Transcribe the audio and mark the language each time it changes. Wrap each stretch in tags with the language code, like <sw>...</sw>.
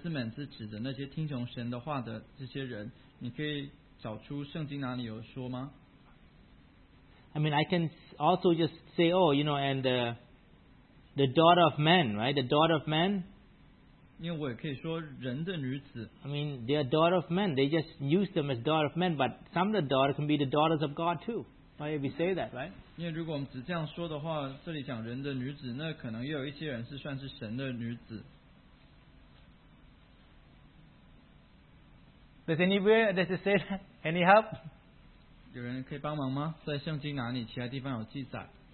<zh>那如果你说第二章这里神的儿子们是指的那些听从神的话的这些人, 你可以找出圣经哪里有说吗?</zh> <en>I mean, I can also just say, oh, you know, and the daughter of man, right? The daughter of man.</en> <zh>因为我也可以说人的女子.</zh> <en>I mean, they are daughter of men. They just use them as daughter of men, but some of the daughters can be the daughters of God too. Why if we say that, right?</en> <zh>因为如果我们只这样说的话, 这里讲人的女子, 那可能也有一些人是算是神的女子.</zh> <en>Does anywhere, does it say that? Any help?</en> <zh>有人可以帮忙吗? 在圣经哪里, 其他地方有记载?</zh>